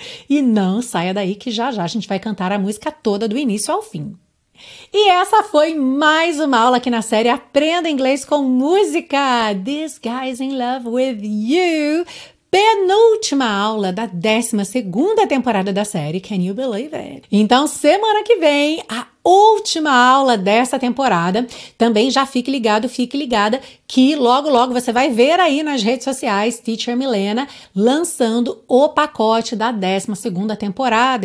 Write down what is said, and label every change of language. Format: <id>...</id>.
<pt>E não saia daí que já já a gente vai cantar a música toda do início ao fim. E essa foi mais uma aula aqui na série Aprenda Inglês com Música.</pt> <en>This guy's in love with you.</en> <pt>Penúltima aula da 12ª temporada da série.</pt> <en>Can you believe it?</en> <pt>Então, semana que vem, a última aula dessa temporada. Também já fique ligado, fique ligada, que logo, logo você vai ver aí nas redes sociais, Teacher Milena, lançando o pacote da 12ª temporada.</pt>